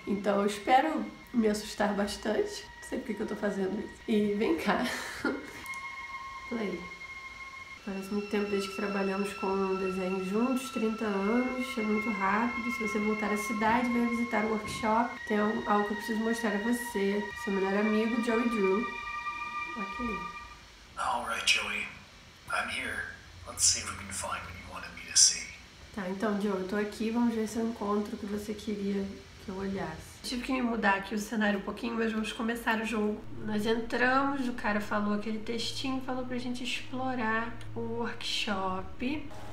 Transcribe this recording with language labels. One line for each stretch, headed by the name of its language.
Portuguese: Então eu espero me assustar bastante. Sei por que eu tô fazendo isso. E vem cá. Play. Parece muito tempo desde que trabalhamos com desenho juntos, 30 anos, é muito rápido. Se você voltar à cidade, vem visitar o workshop. Tem algo que eu preciso mostrar a você. Seu melhor amigo, Joey Drew. Ok.
English: All right, Joey. I'm here. Let's see if we can find what you wanted me to see.
Portuguese: Tá, então, Joey, eu tô aqui. Vamos ver se eu encontro o que você queria que eu olhasse. Tive que me mudar aqui o cenário um pouquinho, mas vamos começar o jogo. Nós entramos, o cara falou aquele textinho, falou pra gente explorar o workshop.